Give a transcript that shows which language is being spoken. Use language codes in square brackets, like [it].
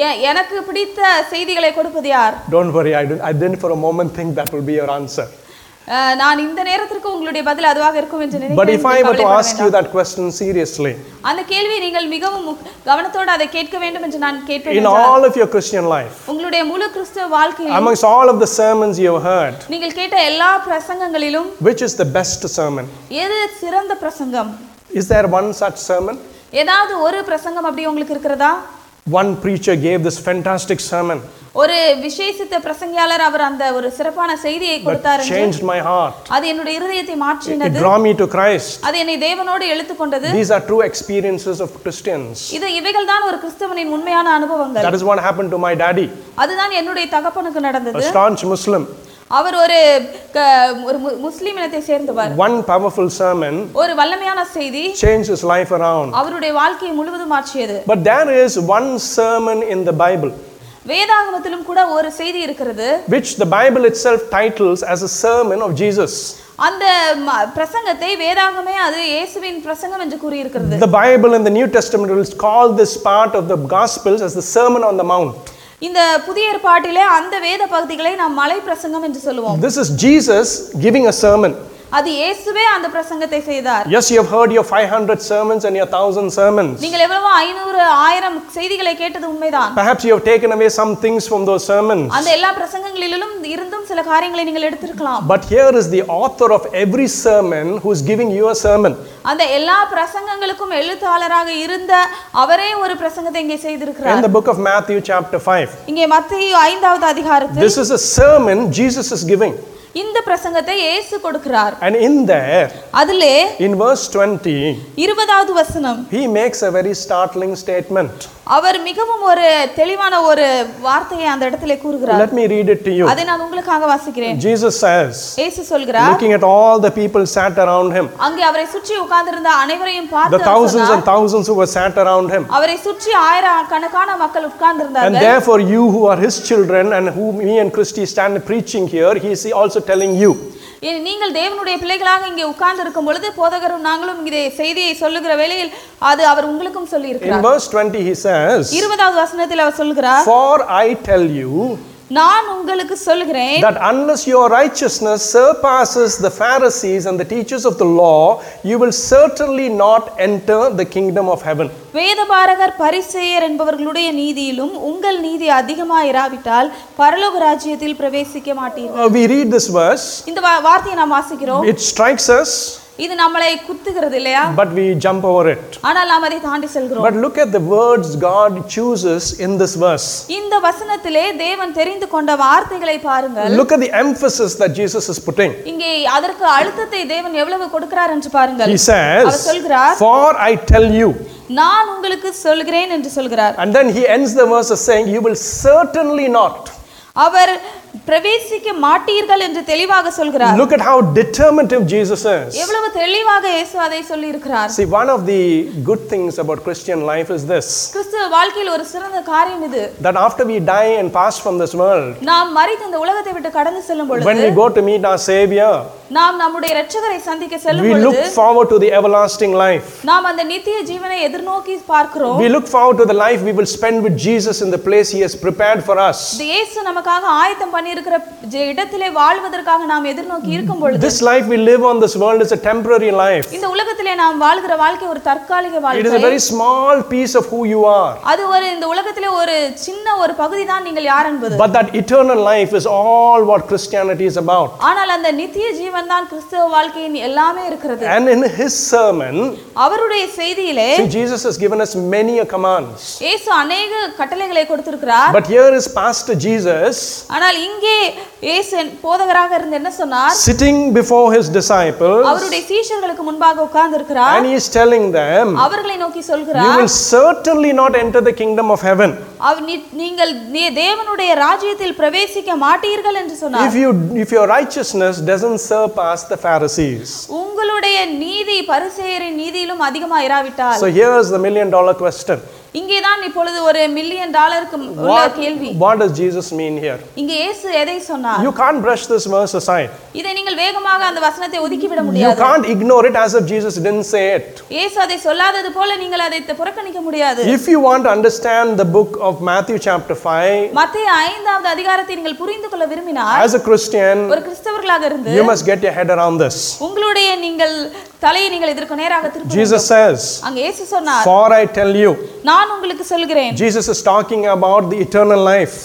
[ta] எனக்கு பிடித்த செய்திகளை கொடுப்பது யார்? [en] Don't worry, I didn't for a moment think that will be your answer. [ta] நான் இந்த நேரத்துக்கு உங்களுடைய பதில் அதுவாக இருக்கும் என்று நினைக்கிறேன். [en] But if I were to ask you that question seriously. [ta] அந்த கேள்வியை நீங்கள் மிகவும் கவனத்தோடு அதை கேட்க வேண்டும் என்று நான் கேட்டிருக்கிறேன். [en] In all of your Christian life. [ta] உங்களுடைய முழு கிறிஸ்தவ வாழ்க்கையில். [en] Amongst all of the sermons you have heard. [ta] நீங்கள் கேட்ட எல்லா பிரசங்கங்களிலும். [en] Which is the best sermon? [ta] எது சிறந்த பிரசங்கம்? [en] Is there one such sermon? [ta] ஏதாவது ஒரு பிரசங்கம் அப்படி உங்களுக்கு இருக்கிறதா? [en] One preacher gave this fantastic sermon. [ta] ஒரு விசேஷித்த பிரசங்கியாளர் அவர் அந்த ஒரு சிறப்பான செய்தியை கொடுத்தார் என்று. [en] My heart. [ta] அது என்னுடைய இதயத்தை மாற்றினது. [en] It drew me to Christ. [ta] அது என்னை தேவனோடு இழுத்து கொண்டது. [en] These are true experiences of Christians. [ta] இது இவைகள் தான் ஒரு கிறிஸ்தவனின் உண்மையான அனுபவங்கள். [en] That is what happened to my daddy. [ta] அதுதான் என்னுடைய தகப்பனுக்கு நடந்தது. [en] A staunch Muslim. [ta] அவர் ஒரு ஒரு முஸ்லிம் இனத்தை சேர்ந்தவர். [en] One powerful sermon. [ta] ஒரு வல்லமையான செய்தி. [en] Changed his life around. [ta] அவருடைய வாழ்க்கையை முழுவதும் மாற்றியது. [en] But there is one sermon in the Bible. [ta] வேதாகமத்திலும் கூட ஒரு செய்தி இருக்கிறது. [en] Which the Bible itself titles as a sermon of Jesus. [ta] அந்த பிரசங்கத்தை வேதாகமே அது இயேசுவின் பிரசங்கம் என்று கூறியிருக்கிறது. [en] The Bible and the New Testament will call this part of the Gospels as the Sermon on the Mount. [ta] இந்த புதிய ஏற்பாட்டிலே அந்த வேத பகுதிகளை நாம் மலை பிரசங்கம் என்று சொல்வோம். [en] This is Jesus giving a sermon. [ta] அது இயேசுவே அந்த பிரசங்கத்தை செய்தார். [en] Yes, you have heard your 500 sermons and your 1000 sermons. [ta] நீங்கள் எவ்வளவு 500 1000 செய்திகளை கேட்டது உண்மைதான். [en] Perhaps you have taken away some things from those sermons. [ta] அந்த எல்லா பிரசங்கங்களிலும் இருந்தும் சில காரியங்களை நீங்கள் எடுத்திருக்கலாம். [en] But here is the author of every sermon who is giving you a sermon. [ta] அந்த எல்லா பிரசங்கங்களுக்கும் எழுத்தாளராக இருந்த அவரே ஒரு பிரசங்கத்தை இங்கே செய்திருக்கிறார். [en] In the book of Matthew chapter 5. [ta] இங்கே மத்தேயு 5வது அதிகாரத்தில். [en] This is a sermon Jesus is giving. [ta] இந்த பிரசங்கத்தை இயேசு கொடுக்கிறார். [en] And in there, [ta] அதிலே, [en] in verse 20, [ta] 20வது வசனம், [en] he makes a very startling statement. [ta] அவர் மிகவும் ஒரு தெளிவான ஒரு வார்த்தையை அந்த இடத்திலே கூறுகிறார். [en] Let me read it to you. [ta] அதை நான் உங்களுக்காக வாசிக்கிறேன். [en] Jesus says, [ta] இயேசு சொல்கிறார், [en] looking at all the people sat around him. [ta] அங்கே அவரை சுற்றி உட்கார்ந்திருந்த அனைவரையும் பார்த்து, [en] the thousands and thousands who were sat around him. [ta] அவரை சுற்றி ஆயிரக்கணக்கான மக்கள் உட்கார்ந்திருந்தார்கள். [en] And therefore you who are his children and whom me and Christy stand preaching here, he is also telling you. [ta] நீங்கள் தேவனுடைய பிள்ளைகளாக இங்கே உட்கார்ந்து இருக்கும் பொழுது போதகரும் நாங்களும் இதே செய்தியை சொல்லுகிற வேளையில் அது அவர் உங்களுக்கும் சொல்லி இருக்கிறார். 20வது வசனத்தில் அவர் சொல்கிறார், [en] For I tell you, [ta] நான் உங்களுக்கு சொல்கிறேன், [en] that unless your righteousness surpasses the Pharisees and the teachers of the law, you will certainly not enter the kingdom of heaven. [ta] வேதபாரகர் பரிசேயர் என்பவர்களுடைய நீதியிலும் உங்கள் நீதி அதிகமாயிராவிட்டால் பரலோக ராஜ்யத்தில் பிரவேசிக்க மாட்டீர்கள். [en] We read this verse. [ta] இந்த வார்த்தையை நாம் வாசிக்கிறோம். [en] It strikes us. [ta] இது நம்மளை குத்துகிறது இல்லையா? [en] But we jump over it. [ta] ஆனால் நாம் அதை தாண்டி செல்கிறோம். [en] But look at the words God chooses in this verse. [ta] இந்த வசனத்திலே தேவன் தெரிந்து கொண்ட வார்த்தைகளை பாருங்கள். [en] Look at the emphasis that Jesus is putting. [ta] இங்கே அதற்கு அழுத்தத்தை தேவன் எவ்வளவு கொடுக்கிறார் என்று பாருங்கள். [en] He says, [ta] அவர் சொல்கிறார், [en] For I tell you, [ta] நான் உங்களுக்கு சொல்கிறேன் என்று சொல்கிறார். [en] And then he ends the verse saying, You will certainly not. [ta] அவர் பிரவேசிக்க மாட்டீர்கள் என்று தெளிவாக சொல்கிறார். [en] Look at how determinative Jesus is. [ta] எவ்வளவு தெளிவாக இயேசு அதை சொல்லி இருக்கிறார். [en] See, one of the good things about Christian life is this. [ta] கிறிஸ்தவ வாழ்க்கையில் ஒரு சிறந்த காரியம் இது. [en] That after we die and pass from this world. [ta] நாம் மரித்து இந்த உலகத்தை விட்டு கடந்து செல்லும் பொழுது. [en] When we go to meet our savior. [ta] நாம் நம்முடைய இரட்சகரை சந்திக்க செல்லும் பொழுது. [en] We look forward to the everlasting life. [ta] நாம் அந்த நித்திய ஜீவனை எதிர்நோக்கி பார்க்கிறோம். [en] We look forward to the life we will spend with Jesus in the place he has prepared for us. [ta] இயேசு நமக்காக ஆயத்தம் பண்ணி இடத்திலே வாழ்வதற்காக நாம் எதிர்நோக்கி இருக்கும் பொழுது, [en] this life we live on this world is a temporary life. [ta] இந்த உலகத்திலே நாம் வாழ்கிற வாழ்க்கை ஒரு தற்காலிக வாழ்க்கை. [en] It is a very small piece of who you are. [ta] அது ஒரு இந்த உலகத்திலே ஒரு சின்ன ஒரு பகுதி தான் நீங்கள் யார் என்பது. [en] But that eternal life is all what Christianity is about. [ta] ஆனால் அந்த நித்திய ஜீவன் தான் கிறிஸ்தவ வாழ்க்கையின் எல்லாமே இருக்கிறது. [en] And in his sermon, [ta] அவருடைய செய்தியிலே, [en] See, Jesus has given us many a commands. [ta] இயேசு அநேக கட்டளைகளை கொடுத்திருக்கிறார். [en] But here is Pastor Jesus. [ta] ஆனால் இங்கே போதகராக இருந்து என்ன சொன்னார்? [en] Sitting before his disciples, [ta] அவருடைய சீஷர்களுக்கு முன்பாக உட்கார்ந்திருக்கிறார். [en] And he is telling them, [ta] அவர்களை நோக்கி சொல்கிறார், [en] You will certainly not enter the kingdom of heaven. [ta] நீங்கள் தேவனுடைய ராஜ்யத்தில் பிரவேசிக்க மாட்டீர்கள் என்று சொன்னார். [en] If your righteousness doesn't surpass the Pharisees, [ta] உங்களுடைய நீதி பரிசேயரின் நீதியிலும் அதிகமாயிராவிட்டால். [en] So here is the million dollar question. [ta] இங்கே தான் இப்பொழுது ஒரு மில்லியன் டாலருக்கு உள்ள கேள்வி. [en] What does Jesus mean here? [ta] இங்கே இயேசு எதை சொன்னார்? [en] You can't brush this verse aside. [ta] இதை நீங்கள் வேகமாக அந்த வசனத்தை ஒதுக்கி விட முடியாது. [en] You can't ignore it as if Jesus didn't say it. [ta] இயேசு அதை சொல்லாதது போல நீங்கள் அதை புறக்கணிக்க முடியாது. [en] If you want to understand the book of Matthew chapter 5, [ta] மத்தேயு 5வது அதிகாரத்தை நீங்கள் புரிந்துகொள்ள விரும்பினால், [en] as a Christian, [ta] ஒரு கிறிஸ்தவர்களாக இருந்து, [en] you must get your head around this. [ta] உங்களுடைய நீங்கள் தலையை நீங்கள் இதற்கு நேராக திருப்ப வேண்டும். [en] Jesus says, [ta] அங்கே இயேசு சொன்னார், [en] For I tell you, [ta] நான் உங்களுக்கு சொல்கிறேன். [en] Jesus is talking about the eternal life.